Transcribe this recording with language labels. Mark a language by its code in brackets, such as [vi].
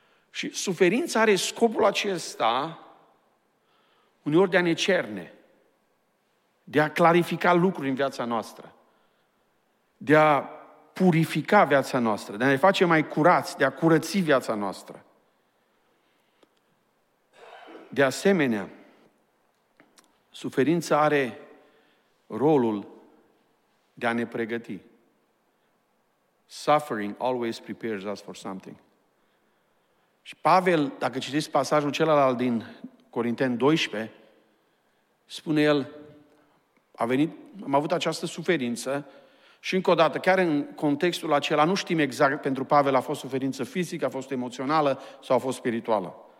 [ro] Și suferința are scopul acesta, uneori de a ne cerne, de a clarifica lucruri în viața noastră, de a purifica viața noastră, de a ne face mai curați, de a curăți viața noastră. De asemenea, suferința are rolul de a ne pregăti. [en] Suffering always prepares us for something. [ro] Și Pavel, dacă citiți pasajul celălalt din Corinteni 12, spune el, am avut această suferință și încă o dată, chiar în contextul acela, nu știm exact pentru Pavel a fost suferință fizică, a fost emoțională sau a fost spirituală.